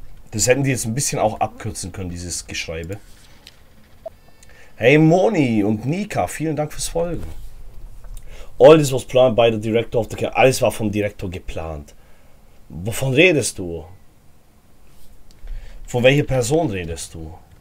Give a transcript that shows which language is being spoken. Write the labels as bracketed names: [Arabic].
[German] Das hätten die jetzt ein bisschen auch abkürzen können, dieses Geschreibe. Hey Moni und Nika, vielen Dank fürs Folgen. [English] All this was planned by the director of the camp. [German] Alles war vom Direktor geplant. Wovon redest du? Von welcher Person redest du?